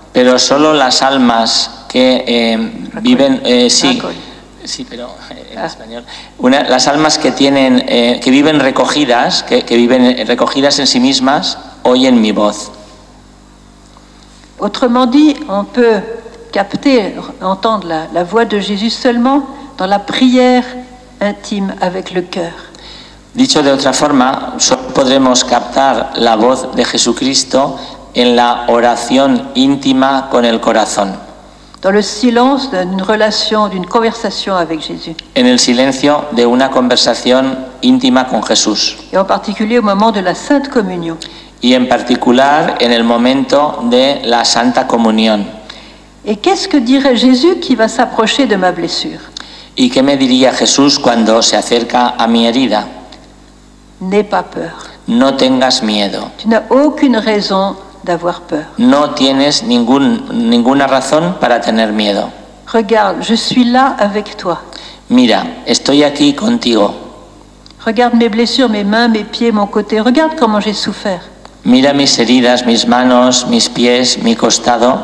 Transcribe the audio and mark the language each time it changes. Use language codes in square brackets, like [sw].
[es] Pero solo las almas que viven, sí, Sí, pero en español. Las almas que tienen, que viven recogidas, que viven recogidas en sí mismas, oyen mi voz. [fr] Autrement dit, on peut capter, entendre la voix de Jésus seulement dans la prière intime avec le cœur. [es] Dicho de otra forma, solo podremos captar la voz de Jesucristo en la oración íntima con el corazón. [fr] Dans le silence d'une relation, d'une conversation avec Jésus. [es] En el silencio de una conversación íntima con Jesús. [fr] Et en particulier au moment de la Sainte Communion. [es] Y en particular en el momento de la Santa Comunión. [fr] Et qu'est-ce que dirait Jésus qui va s'approcher de ma blessure? [es] ¿Y qué me diría Jesús cuando se acerca a mi herida? [fr] N'aie pas peur. [es] No tengas miedo. [fr] Tu n'as aucune raison d'avoir peur. [es] No tienes ninguna razón para tener miedo. [fr] Regarde, je suis là avec toi. [es] Mira, estoy aquí contigo. [fr] Regarde mes blessures, mes mains, mes pieds, mon côté. Regarde comment j'ai souffert. [es] Mira mis heridas, mis manos, mis pies, mi costado.